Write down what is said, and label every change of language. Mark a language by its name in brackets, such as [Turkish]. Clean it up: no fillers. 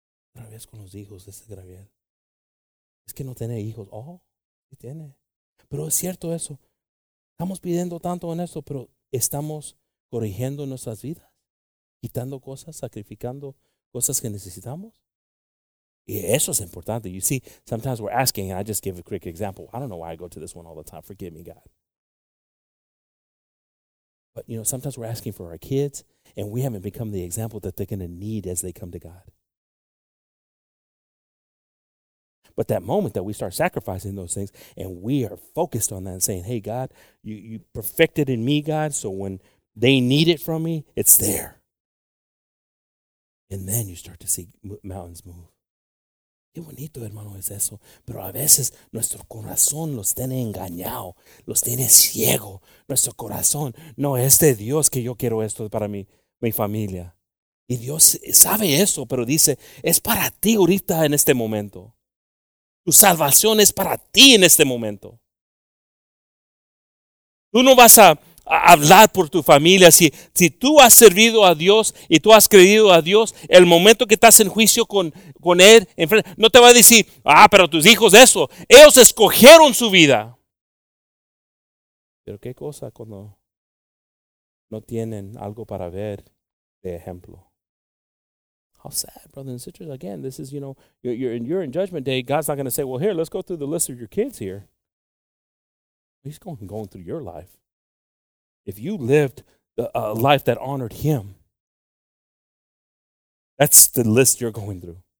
[Spanish] Otra vez con los hijos de ese Gabriel. Es que no tiene hijos. Oh, sí tiene. Pero es cierto eso. Estamos pidiendo tanto en esto, pero estamos corrigiendo nuestras vidas, quitando cosas, sacrificando cosas que necesitamos. Y eso es importante. [English] You see, sometimes we're asking, and I just give a quick example. I don't know why I go to this one all the time. Forgive me, God. But, you know, sometimes we're asking for our kids, and we haven't become the example that they're going to need as they come to God. But that moment that we start sacrificing those things and we are focused on that and saying, hey, God, you perfected in me, God, so when they need it from me, it's there. And then you start to see mountains move. [Spanish] Qué bonito, hermano, es eso. Pero a veces nuestro corazón los tiene engañado, los tiene ciego. Nuestro corazón, no, es de Dios que yo quiero esto para mi familia. Y Dios sabe eso, pero dice, es para ti ahorita en este momento. Tu salvación es para ti en este momento. Tú no vas a hablar por tu familia. Si tú has servido a Dios y tú has creído a Dios, el momento que estás en juicio con Él, no te va a decir, ah, pero tus hijos eso. Ellos escogieron su vida. Pero qué cosa cuando no tienen algo para ver de ejemplo. [English] How sad, brothers and sisters. Again, this is, you know, you're in judgment day. God's not going to say, well, here, let's go through the list of your kids here. He's going through your life. If you lived a life that honored him, that's the list you're going through.